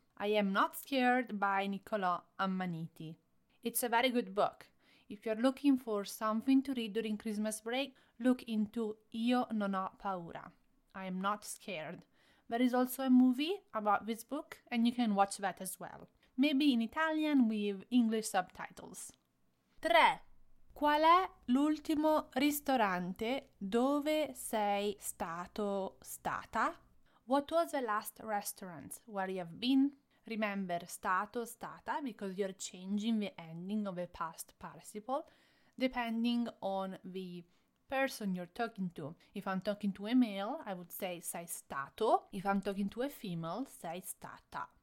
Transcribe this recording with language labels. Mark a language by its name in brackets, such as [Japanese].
[English] I am not scared by Niccolò Ammaniti. It's a very good book. If you're looking for something to read during Christmas break, look into Io non ho paura. I am not scared. There is also a movie about this book and you can watch that as well. Maybe in Italian with English subtitles. 3. [Italian] Qual è l'ultimo ristorante dove sei stato stata? [English] What was the last restaurant where you have been? Remember stato, stata, because you're changing the ending of a past participle depending on the person you're talking to. If I'm talking to a male, I would say sei stato. If I'm talking to a female, sei stata.